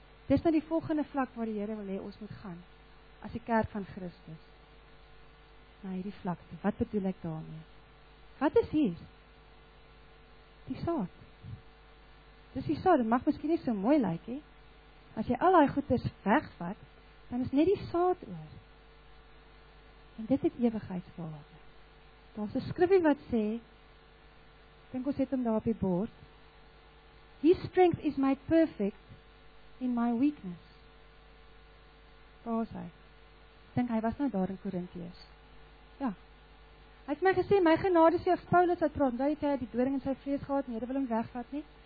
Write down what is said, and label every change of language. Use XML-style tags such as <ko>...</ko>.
<af>Dis nou die volgende vlak waar die Here wil hê ons moet gaan as die kerk van Christus. Na hierdie vlak. Wat bedoel ek daarmee? Wat is hier? Die saad. Dis die saad. Dit mag miskien nie so mooi lyk nie. As jy al daai goedes wegvat, dan is net die saad oor. En dit het ewigheidswaarde. Daar's 'n skrifgie wat sê, dink ons het hom daar op die bord.</af> <en>His strength is made perfect in my weakness.</en> <af>Waar is hy? Dink hy was nou daar in Korintiërs. Ja. Hy het my gesê, my genade sê of Paulus het praat, dat hy die doring in sy vlees gehad, en die Here wil hom wegvat nie.</af>